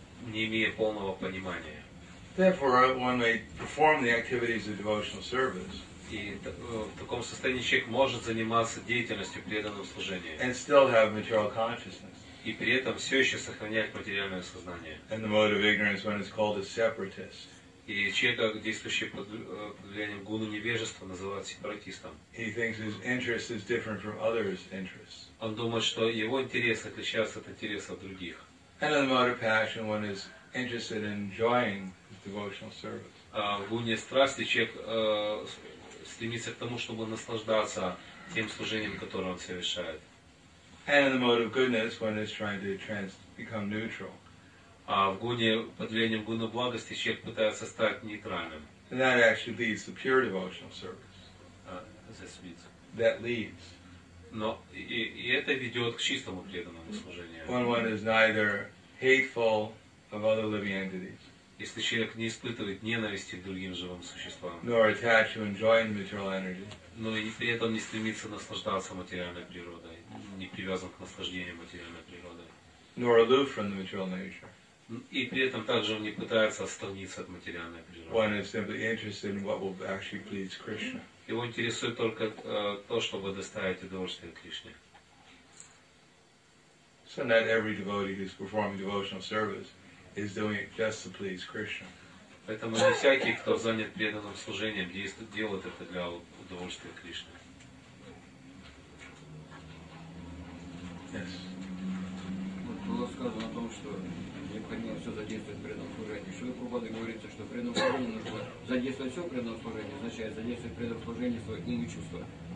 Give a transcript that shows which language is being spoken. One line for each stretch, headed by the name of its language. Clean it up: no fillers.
Russian: не имея полного понимания.
English: Therefore, one may perform the activities of devotional service,
Russian: и в таком состоянии человек может заниматься деятельностью преданного служения,
English: and still have material consciousness.
Russian: И при этом все еще сохранять материальное сознание.
English: And the mode of ignorance when it's called a separatist.
Russian: И человек, действующий под влиянием гуны невежества, называют сепаратистом.
English: He thinks his interest is different from others' interests.
Russian: Он думает, что его интересы отличаются от интересов других.
English: And in the mode of passion, one is interested in enjoying his devotional service.
Russian: А в гуне страсти человек стремится к тому, чтобы наслаждаться тем служением, которое он совершает.
English: And in the mode of goodness, one is trying to become neutral.
Russian: А в гуне, под влиянием гуны благости, человек пытается стать нейтральным.
English: And that actually leads to pure devotional service. That leads.
Russian: Но и это ведет к чистому преданному служению.
English: When one is neither hateful of other living entities.
Russian: Если человек не испытывает ненависти к другим живым существам.
English: Nor attached to enjoying material energy.
Russian: Но и при этом не стремится наслаждаться материальной природой, не привязан к наслаждению материальной природой.
English: Nor aloof from the material nature.
Russian: И при этом также он не пытается отстраниться от материальной природы.
English: One is simply interested in what will actually please Krishna.
Russian: Его интересует только то, чтобы доставить удовольствие Кришне.
English: So not every devotee who is performing devotional service is doing it just to please Krishna.
Russian: Поэтому не всякий, кто занят преданным служением, делает это для удовольствия Кришны.
English: Yes.
Russian: Вот было сказано о том, что необходимо все задействовать в преданном служении. Шрила Прабхупада говорит, что в преданном служении нужно задействовать все в преданном служении, означает задействовать в преданном служении свои умы и чувства.